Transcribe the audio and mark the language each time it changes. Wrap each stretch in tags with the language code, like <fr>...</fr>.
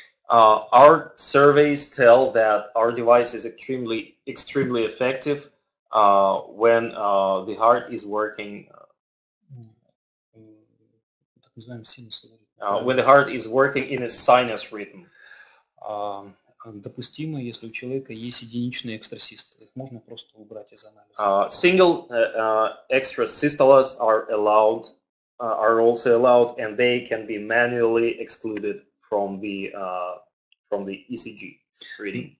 <en>Our surveys tell that our device is extremely effective when the heart is working.</en> <ru>Так называемый синусовый ритм.</ru> <en>When the heart is working in a sinus rhythm.</en> <ru>Допустимо, если у человека есть единичные экстрасистолы. Их можно просто убрать из анализа.</ru> <en>Single extrasystoles are allowed. Are also allowed, and they can be manually excluded from the ECG reading.</en>